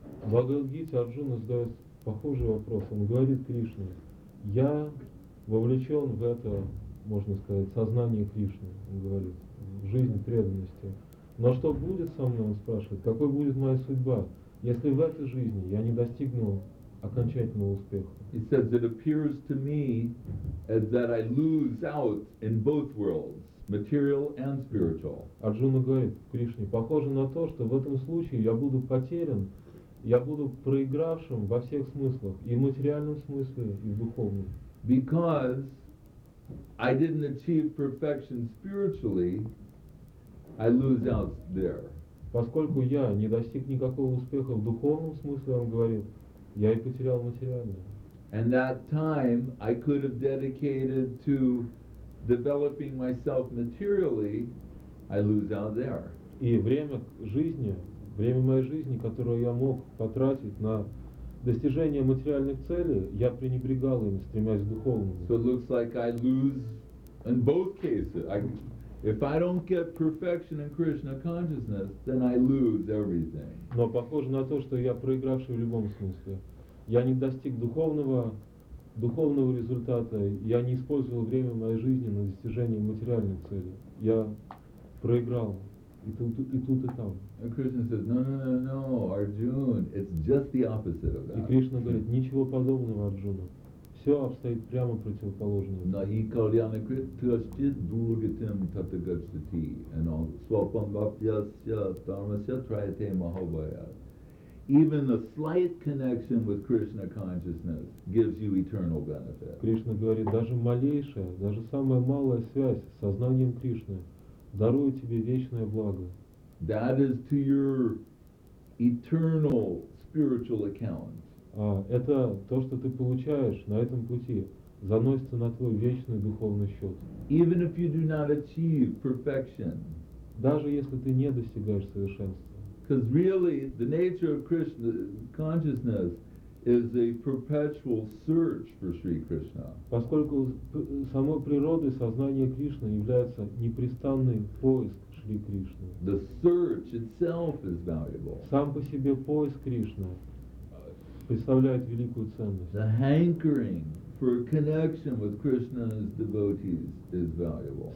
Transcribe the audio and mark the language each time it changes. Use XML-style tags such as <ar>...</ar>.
<ru>В Bhagavad Gita Arjuna задает похожий вопрос. Он говорит Кришне, я вовлечен в это, можно сказать, сознание Кришны, он говорит, в жизнь преданности. Но что будет со мной, он спрашивает, какой будет моя судьба, если в этой жизни я не достигну окончательного успеха?</ru> <en>He says, it appears to me as that I lose out in both worlds, material and spiritual.</en> <ru>Арджуна говорит Кришне, похоже на то, что в этом случае я буду потерян, я буду проигравшим во всех смыслах, и в материальном смысле, и в духовном.</ru> <en>Because I didn't achieve perfection spiritually, I lose out there.</en> <ru>Поскольку я не достиг никакого успеха в духовном смысле, он говорит, я и потерял материальное.</ru> <en>And that time I could have dedicated to developing myself materially, I lose out there.</en> <ru>И время жизни, время моей жизни, которое я мог потратить на достижение материальных целей, я пренебрегал им, стремясь к духовному.</ru> <en>So it looks like I lose in both cases. If I don't get perfection in Krishna consciousness, then I lose everything.</en> <ru>Но похоже на то, что я проигравший в любом смысле. Я не достиг духовного результата, я не использовал время моей жизни на достижение материальных целей. Я проиграл. И тут, и там.</ru> <en>And Krishna says, no, Arjuna, it's just the opposite of that.</en> <ru>И Кришна говорит, ничего подобного, Арджуна. Все обстоит прямо противоположно.</ru> <sa>На и кальяна кришти дургатим татагачтати</sa> <en>and all</en> <sa>свапам бапьясья дармасья траяте махабая.</sa> <en>Even the slight connection with Krishna consciousness gives you eternal benefit.</en> <ru>Кришна говорит, даже малейшая, даже самая малая связь с сознанием Кришны дарует тебе вечное благо.</ru> <en>That is to your eternal spiritual account.</en> <ru>Это то, что ты получаешь на этом пути, заносится на твой вечный духовный счет.</ru> <en>Even if you do not achieve perfection.</en> <ru>Даже если ты не достигаешь совершенства.</ru> <en>Because really, the nature of Krishna consciousness is a perpetual search for Sri Krishna.</en> <ru>Поскольку самой природой сознания Кришны является непрестанный поиск Шри Кришны.</ru> <en>The search itself is valuable.</en> <ru>Сам по себе поиск Кришны представляет великую ценность.</ru> <en>The hankering for connection with Krishna's devotees is valuable.</en>